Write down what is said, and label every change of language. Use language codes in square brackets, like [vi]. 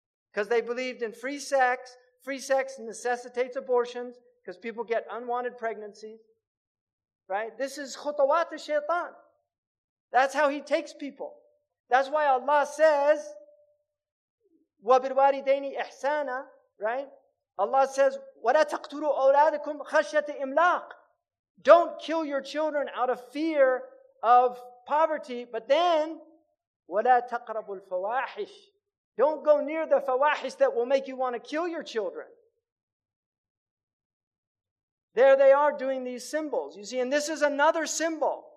[en] Because they believed in free sex. Free sex necessitates abortions because people get unwanted pregnancies. Right? This is khutawat al-shaytan. That's how He takes people. That's why Allah says, [ar] وَبِالْوَالِدَيْنِ إِحْسَانًا, [en] right? Allah says, [ar] وَلَا تَقْتُلُوا أَوْلَادَكُمْ خَشْيَةَ إِمْلَاقٍ. [en] Don't kill your children out of fear of poverty, but then, [ar] وَلَا تَقْرَبُوا الْفَوَاحِشِ. [en] Don't go near the fawahish that will make you want to kill your children. There they are doing these symbols. You see, and this is another symbol.